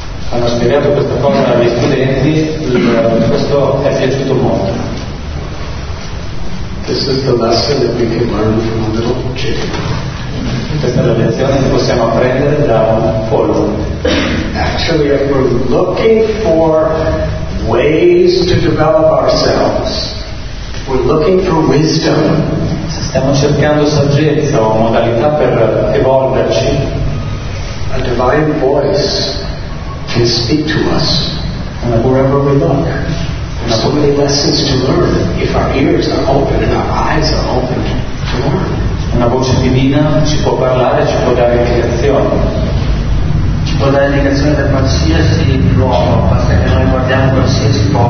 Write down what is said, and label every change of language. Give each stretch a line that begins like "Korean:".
Italian: Hanno spiegato questa cosa agli studenti, questo è piaciuto molto.
English: This is the lesson that we can learn from a little chicken.
Italian: Questa è la lezione che possiamo apprendere da un pollo.
English: Actually, if we're looking for ways to develop ourselves, we're looking for wisdom.
Italian: Se stiamo cercando saggezza o modalità per evolverci,
English: a divine voice can speak to us wherever we look. There are so many lessons to learn if our ears are open and our eyes are open to learn.
Italian: Una voce divina ci può parlare, ci può dare indicazioni. Ci può dare indicazioni da qualsiasi luogo, basta che noi guardiamo qualsiasi